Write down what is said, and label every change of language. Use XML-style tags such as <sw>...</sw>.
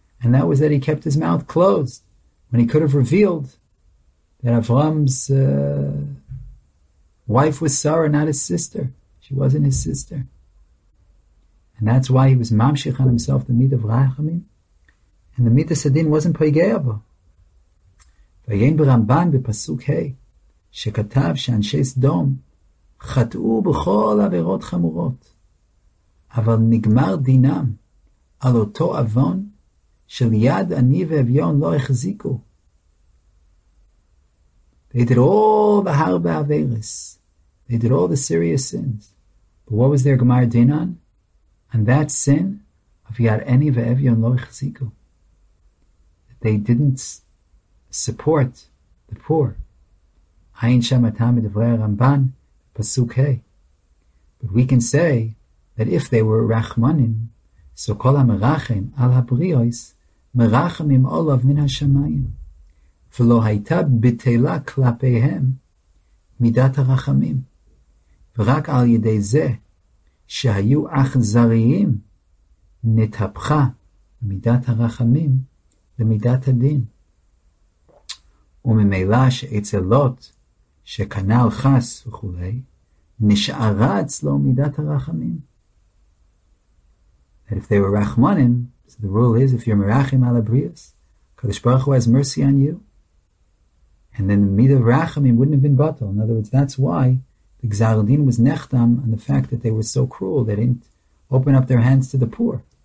<en>And that was that he kept his mouth closed when he could have revealed that Avram's wife was Sarah, not his sister. She wasn't his sister. And that's why he was mamshich on himself the mid of rachamim, and the mid of sadin wasn't poigeyavo.</en> <he>Vayein b'ramban b'pasuk hey, שכתב שאנשי סדום חטאו בכל עבירות חמורות, אבל נגמר דינם על אותו אבון של יד עני ואביון לא החזיקו.</he> <en>They did all the harba averis. They did all the serious sins. But what was their gemar dinan? And that sin of</en> <he>yad eni ve'evyon lo echziku.</he> <en>They didn't support the poor.</en> <he>Ayin shamatam edivrei Ramban pasuk hey.</he> <en>But we can say that if they were rachmanim, so</en> <he>kol ha-merachim al ha-briyos, merachamim olav min ha-shamayim. ולא הייתה בטלה כלפיהם מידת הרחמים. ורק על ידי זה שהיו אכזריים נתהפכה מידת הרחמים למידת הדין. וממילא שאצל לוט שקנה על חס וכו', נשארה אצלו מידת הרחמים.</he> <en>And if they were רחמנים, so the rule is, if you're</en> <he>מרחם על הבריאס, הקדוש ברוך הוא</he> <en>has mercy on you, and then the midah rachamim wouldn't have been batal. In other words, that's why the gzar din was nechtam on the fact that they were so cruel, they didn't open up their hands to the poor.</en>